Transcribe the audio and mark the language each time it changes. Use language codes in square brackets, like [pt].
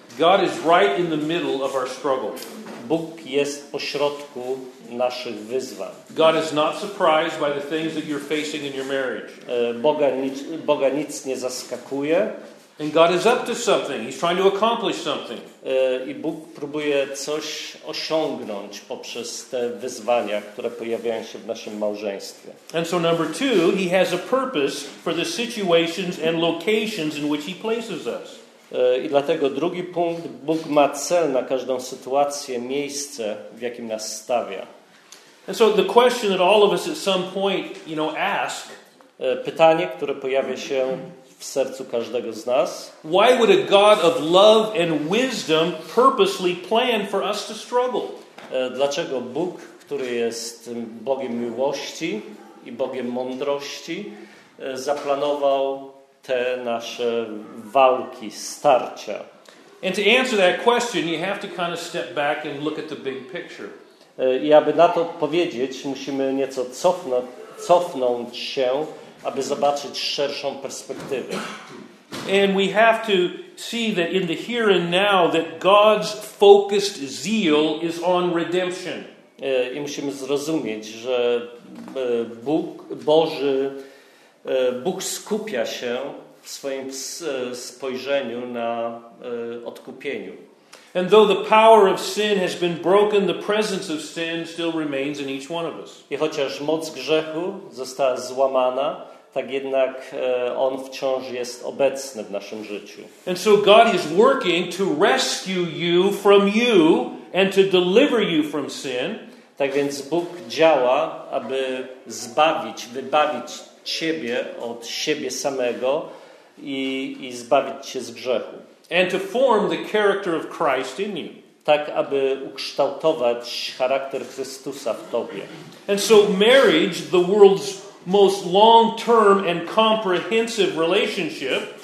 [en] God is right in the middle of our struggle. [pl] Bóg jest pośrodku naszych wyzwań. [en] God is not surprised by the things that you're facing in your marriage. [pl] Boga nic nie zaskakuje. [en] And God is up to something. He's trying to accomplish something. [pl] I Bóg próbuje coś osiągnąć poprzez te wyzwania, które pojawiają się w naszym małżeństwie. [en] And so number two, he has a purpose for the situations and locations in which he places us. [pl] I dlatego drugi punkt, Bóg ma cel na każdą sytuację, miejsce, w jakim nas stawia. [en] And so the question that all of us at some point, you know, ask, [pl] pytanie, które pojawia się w sercu każdego z nas. [en] Why would a God of love and wisdom purposely plan for us to struggle? [pl] Dlaczego Bóg, który jest Bogiem miłości i Bogiem mądrości, zaplanował te nasze walki, starcia. [en] And to answer that question, you have to kind of step back and look at the big picture. [pl] I aby na to odpowiedzieć, musimy nieco cofnąć się, aby zobaczyć szerszą perspektywę. [en] And we have to see that in the here and now that God's focused zeal is on redemption. [pl] I musimy zrozumieć, że Bóg, Boży Bóg skupia się w swoim spojrzeniu na odkupieniu. [en] And though the power of sin has been broken, the presence of sin still remains in each one of us. [pl] I chociaż moc grzechu została złamana, tak jednak on wciąż jest obecny w naszym życiu. [en] And so God is working to rescue you from you and to deliver you from sin. [pl] Tak więc Bóg działa, aby zbawić, wybawić ciebie od siebie samego i zbawić się z grzechu. [en] And to form the character of Christ in you. [pl] Tak, aby ukształtować charakter Chrystusa w tobie. [en] And so marriage, the world's most long-term and comprehensive relationship.